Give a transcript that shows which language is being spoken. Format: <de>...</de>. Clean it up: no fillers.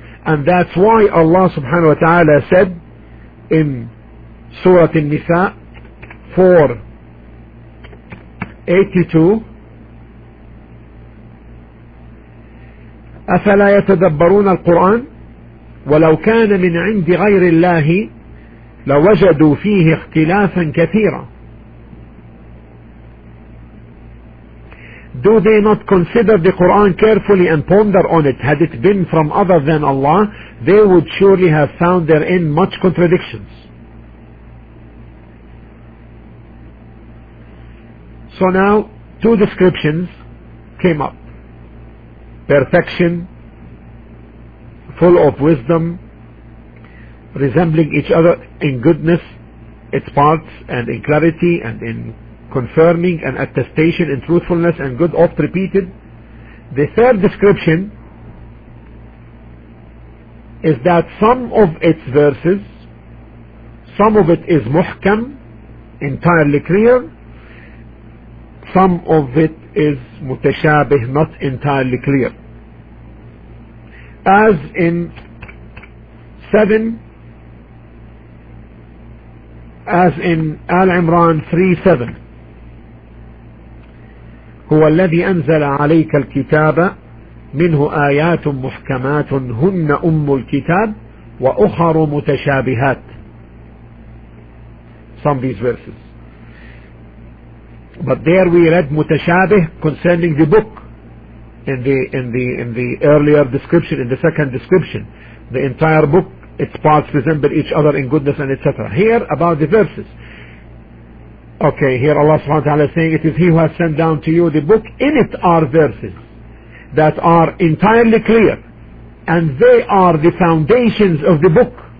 <en>And that's why Allah subhanahu wa ta'ala said in Surah An-Nisa 4:82,</en> <ar>أفلا يتدبرون القرآن ولو كان من عند غير الله لوجدوا فيه اختلافا كثيرا.</ar> <en>Do they not consider the Quran carefully and ponder on it? Had it been from other than Allah, they would surely have found therein much contradictions. So now, two descriptions came up. Perfection, full of wisdom, resembling each other in goodness, its parts, and in clarity, and in confirming and attestation in truthfulness and good, oft repeated. The third description is that some of its verses, some of it is muhkam, entirely clear, some of it is mutashabih, not entirely clear. As in 7, as in Al-Imran 3:7,</en> <ar>هو الذي أنزل عليك الكتاب منه آيات محكمات هن أم الكتاب وأخر متشابهات.</ar> <en>Some of these verses. But there we read متشابه concerning the book in the earlier description, in the second description. The entire book, its parts resemble each other in goodness and etc. Here about the verses. Okay, here Allah subhanahu wa ta'ala is saying, it is He who has sent down to you the book, in it are verses that are entirely clear, and they are the foundations of the book.</en>